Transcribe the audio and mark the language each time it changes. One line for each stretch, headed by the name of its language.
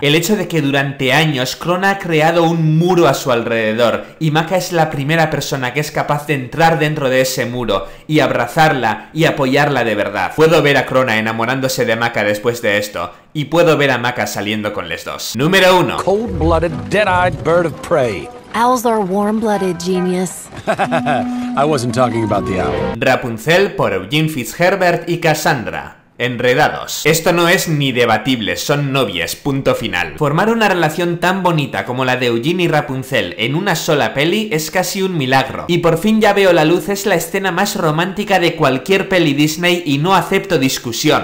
Spanish: El hecho de que durante años Crona ha creado un muro a su alrededor, y Maca es la primera persona que es capaz de entrar dentro de ese muro, y abrazarla, y apoyarla de verdad. Puedo ver a Crona enamorándose de Maca después de esto, y puedo ver a Maca saliendo con les dos. Número 1.
English: Cold-blooded, dead-eyed bird of prey. Owls are warm-blooded, genius. I wasn't talking about the owl.
Spanish: Rapunzel por Eugene Fitzherbert y Cassandra. Enredados. Esto no es ni debatible, son novias, punto final. Formar una relación tan bonita como la de Eugene y Rapunzel en una sola peli es casi un milagro. Y Por fin ya veo la luz es la escena más romántica de cualquier peli Disney y no acepto discusión.